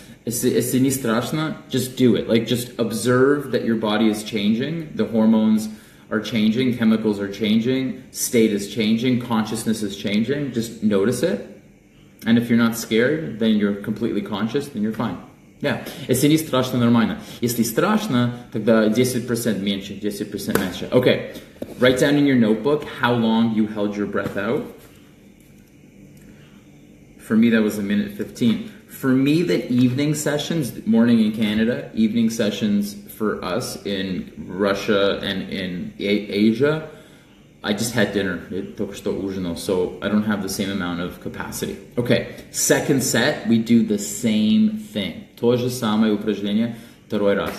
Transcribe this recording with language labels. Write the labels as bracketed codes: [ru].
[ru] Если не страшно, [en] just do it. Like, just observe that your body is changing, the hormones are changing, chemicals are changing, state is changing, consciousness is changing. Just notice it. And if you're not scared, then you're completely conscious, then you're fine. Yeah. [ru] Если не страшно, нормально. Если страшно, тогда 10% меньше, 10% меньше. [en] Okay. Write down in your notebook how long you held your breath out. For me, that was a minute 15. For me, the evening sessions, morning in Canada, evening sessions for us in Russia and in Asia, I just had dinner. So I don't have the same amount of capacity. Okay, second set, we do the same thing. [ru] То же самое упражнение, второй раз.